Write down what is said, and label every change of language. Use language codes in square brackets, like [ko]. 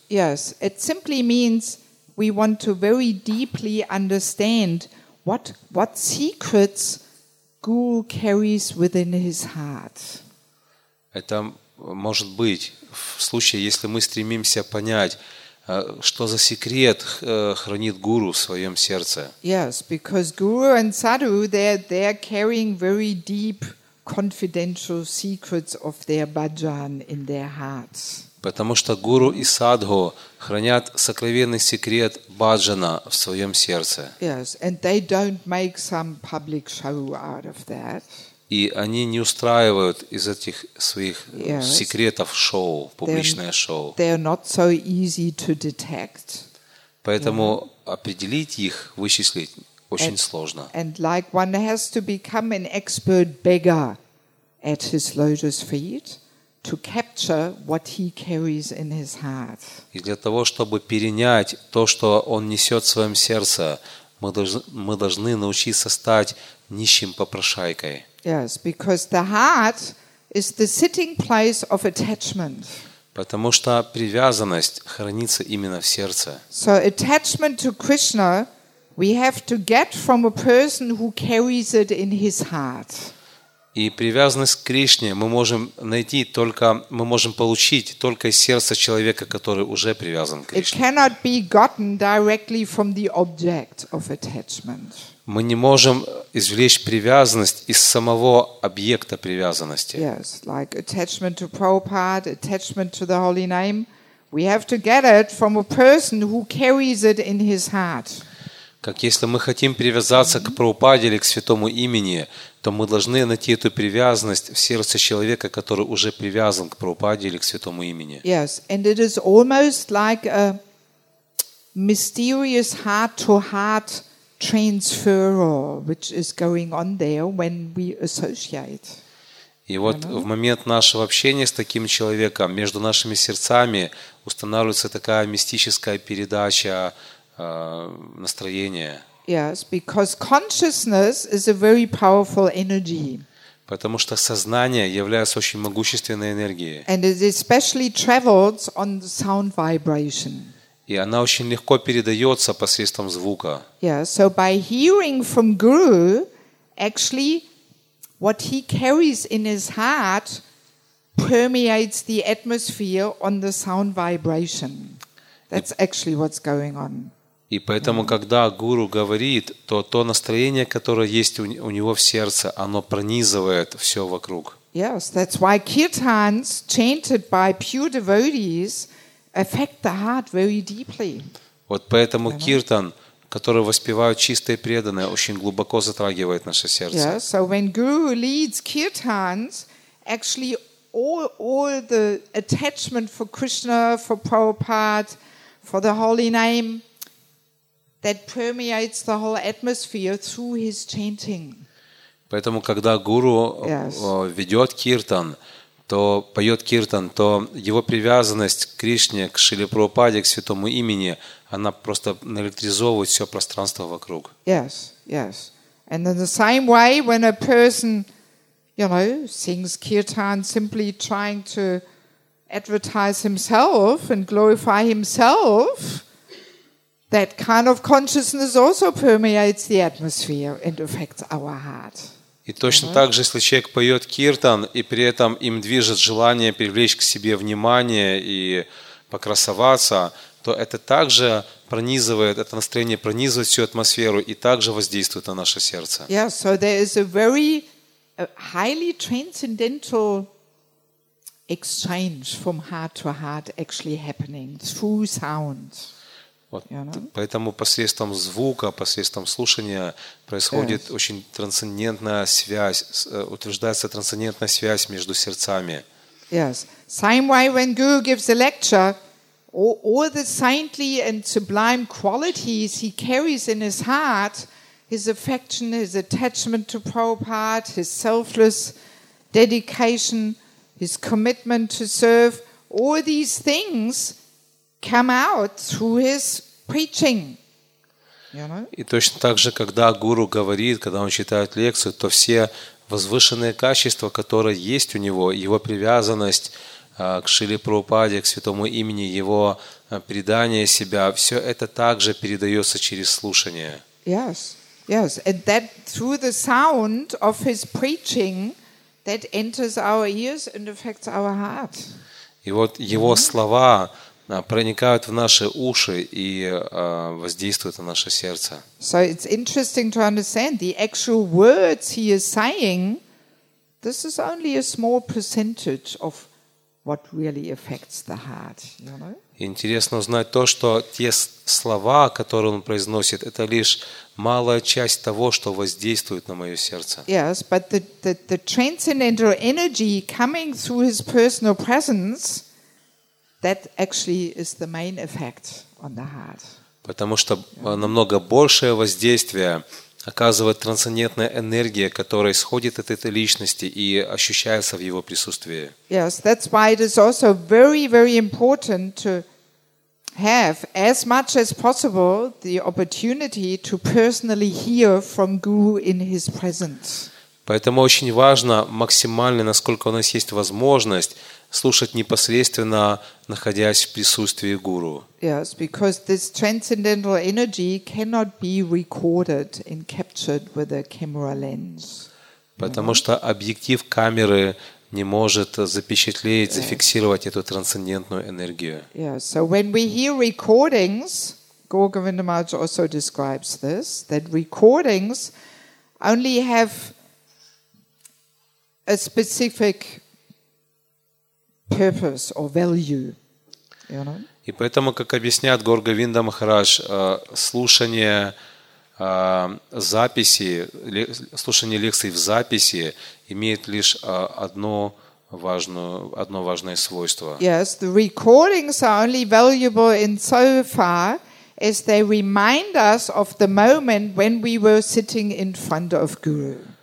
[en] Yes, it simply means we want to very deeply understand what secrets Guru carries within his heart. [ru] Это может быть в случае, если мы стремимся понять, что за секрет хранит гуру в своем сердце? [en] Yes, because guru and sadhu, they're carrying very deep confidential secrets of their bhajan in their hearts. [ru] Потому что гуру и садху хранят сокровенный секрет бхаджана в своем сердце. [en] Yes, and they don't make some public show out of that. [ru] И они не устраивают из этих своих секретов шоу, публичное шоу. [en] They are not so easy to detect. [ru] Поэтому определить их, вычислить очень сложно. [en] And like one has to become an expert beggar at his lotus feet to capture what he carries in his heart. [ru] И для того, чтобы перенять то, что он несет в своем сердце, мы должны научиться стать нищим попрошайкой. [en] Yes, because the heart is the sitting place of attachment. [ru] Потому что привязанность хранится именно в сердце. [en] So attachment to Krishna we have to get from a person who carries it in his heart. [ru] И привязанность к Кришне мы можем получить только из сердца человека, который уже привязан к Кришне. [en] It cannot be gotten directly from the object of attachment. [ru] Мы не можем извлечь привязанность из самого объекта привязанности. [en] Yes, like attachment to Prabhupada, attachment to the holy name. We have to get it from a person who carries it in his heart. [ru] Как если мы хотим привязаться к Прабхупаде или к святому имени, то мы должны найти эту привязанность в сердце человека, который уже привязан к Прабхупаде или к святому имени. [en] Yes, and it is almost like a mysterious heart-to-heart transfer, which is going on there when we associate. [ru] И вот в момент нашего общения с таким человеком между нашими сердцами устанавливается такая мистическая передача настроения. [en] Yes, because consciousness is a very powerful energy. [ru] Потому что сознание является очень могущественной энергией. [en] And it especially travels on the sound vibration. [ru] И она очень легко передается посредством звука. [en] Yeah, so by hearing from Guru, actually, what he carries in his heart permeates the atmosphere on the sound vibration. That's actually what's going on. [ru] И поэтому, когда Гуру говорит, то настроение, которое есть у него в сердце, оно пронизывает все вокруг. [en] Yes, that's why kirtans chanted by pure devotees affect the heart very deeply. [ru] Вот поэтому киртан, который воспевают чистые преданные, очень глубоко затрагивает наше сердце. [en] Yeah, so when Guru leads kirtans, actually all the attachment for Krishna, for Prabhupada, for the holy name that permeates the whole atmosphere through his chanting. [ru] Поэтому когда гуру ведёт киртан, то поёт киртан, то его привязанность к Кришне, к Шриле Прабхупаде, к святому имени, она просто наэлектризовывает всё пространство вокруг. [en] Yes, yes. And in the same way when a person sings kirtan simply trying to advertise himself and glorify himself, that kind of consciousness also permeates the atmosphere and affects our heart. [ru] И точно так же, если человек поёт киртан, и при этом им движет желание привлечь к себе внимание и покрасоваться, то это также пронизывает, это настроение пронизывает всю атмосферу и также воздействует на наше сердце. [en] Yeah, so there is a very highly transcendental exchange from heart to heart actually happening through sound. [ru] Вот, поэтому посредством звука, посредством слушания происходит очень трансцендентная связь, утверждается трансцендентная связь между сердцами. [en] Yes. Same way when Guru gives a lecture, all the saintly and sublime qualities he carries in his heart, his affection, his attachment to Prabhupada, his selfless dedication, his commitment to serve, all these things come out through his preaching. [ru] И точно так же, когда гуру говорит, когда он читает лекцию, то все возвышенные качества, которые есть у него, его привязанность к Шриле Прабхупаде, к святому имени, его предание себя, все это также передается через слушание. [en] Yes, yes. And that through the sound of his preaching that enters our ears and affects our heart. [ru] И вот его слова проникают в наши уши и воздействуют на наше сердце. [en] So it's interesting to understand the actual words he is saying, this is only a small percentage of what really affects the heart, [ru] Интересно узнать то, что те слова, которые он произносит, это лишь малая часть того, что воздействует на мое сердце. [en] Yes, but the transcendental energy coming through his personal presence, that actually is the main effect on the heart. [ru] Потому что намного большее воздействие оказывает трансцендентная энергия, которая исходит от этой личности и ощущается в его присутствии. [en] Yes, that's why it is also very, very important to have as much as possible the opportunity to personally hear from Guru in his presence. [ru] Поэтому очень важно максимально, насколько у нас есть возможность, слушать непосредственно, находясь в присутствии гуру. [en] Yes, because this transcendental energy cannot be recorded and captured with a camera lens. [ru] Потому что объектив камеры не может запечатлеть, зафиксировать эту трансцендентную энергию. [en] Yes, so when we hear recordings, Gaur Govinda Maharaj also describes this, that recordings only have a specific purpose or value, [ru] И поэтому, как объясняет Гаур Говинда Махарадж, слушание записи, слушание лекций в записи имеет лишь одно важное свойство. [en] Yes, the recordings are only valuable in so far as they remind us of the moment when we were sitting in front of Guru.